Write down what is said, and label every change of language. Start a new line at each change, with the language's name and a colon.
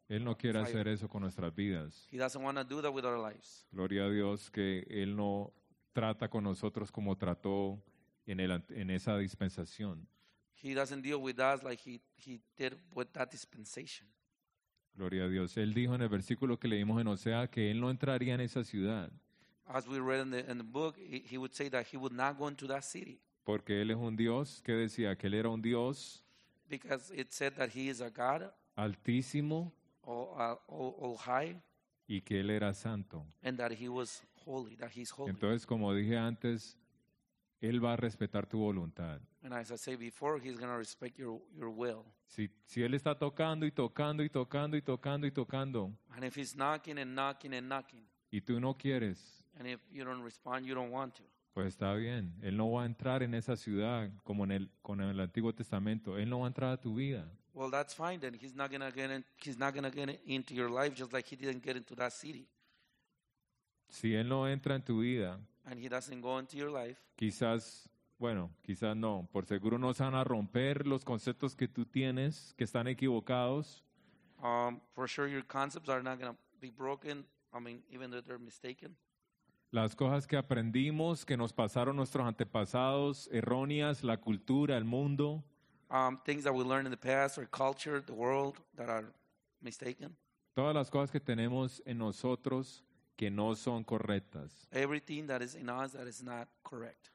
Spanish: Él no quiere hacer eso con nuestras vidas.
English: He doesn't want to do that with our lives.
Spanish: Gloria a Dios que él no trata con nosotros como trató en esa dispensación.
English: He doesn't deal with us like he did with that dispensation.
Spanish: Gloria a Dios. Él dijo en el versículo que leímos en Osea que él no entraría en esa ciudad.
English: As we read in the book, he would say that he would not go into that city.
Spanish: Porque él es un Dios. ¿Qué decía? Que él era un Dios.
English: Because it said that he is a God.
Spanish: Altísimo.
English: All high.
Spanish: Y que él era santo.
English: And that he was holy, that he's holy.
Spanish: Entonces, como dije antes, él va a respetar tu voluntad.
English: And as I said before, he's going to respect your will.
Spanish: Si él está tocando y tocando y tocando y tocando y tocando.
English: And if he's knocking and knocking and knocking.
Spanish: Y tú no quieres.
English: And if you don't respond, you don't want to.
Spanish: Pues está bien. Él no va a entrar en esa ciudad como con el Antiguo Testamento. Él no va a entrar a tu vida.
English: Well, that's fine then. He's not going to get into your life just like he didn't get into that city.
Spanish: Si él no entra en tu vida.
English: And he doesn't go into your life.
Spanish: Quizás no. Por seguro no se van a romper los conceptos que tú tienes, que están equivocados.
English: For sure your concepts are not going to be broken, I mean, even though they're mistaken.
Spanish: Las cosas que aprendimos, que nos pasaron nuestros antepasados, erróneas, la cultura, el mundo.
English: Things that we learned in the past, our culture, the world, that are mistaken.
Spanish: Todas las cosas que tenemos en nosotros que no son correctas.
English: Everything that is in us that is not correct.